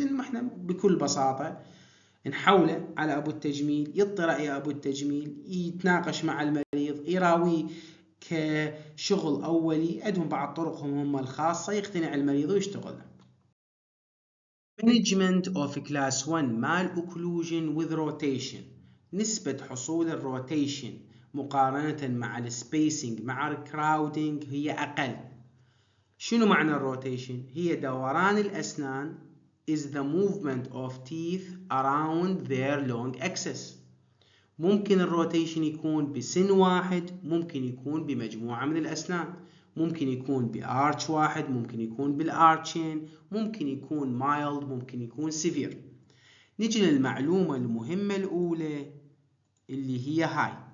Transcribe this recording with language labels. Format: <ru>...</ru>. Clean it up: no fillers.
<ar>ان احنا بكل بساطه نحوله على ابو التجميل، يطي راي ابو التجميل، يتناقش مع المريض، يراوي كشغل اولي، عندهم بعض طرقهم هم الخاصه، يقتنع المريض ويشتغل.</ar> <en>management of class 1 mal occlusion with rotation،</en> <ar>نسبة حصول الروتيشن مقارنة مع السبيسينج مع الكراودينج هي أقل. شنو معنى الروتيشن؟ هي دوران الأسنان</ar> <en>is the movement of teeth around their long axis.</en> <ar>ممكن الروتيشن يكون بسن واحد، ممكن يكون بمجموعة من الأسنان، ممكن يكون بأرش واحد، ممكن يكون بالأرشين، ممكن يكون مايلد، ممكن يكون سيفير. نجي للمعلومة المهمة الأولى اللي هي هاي.</ar>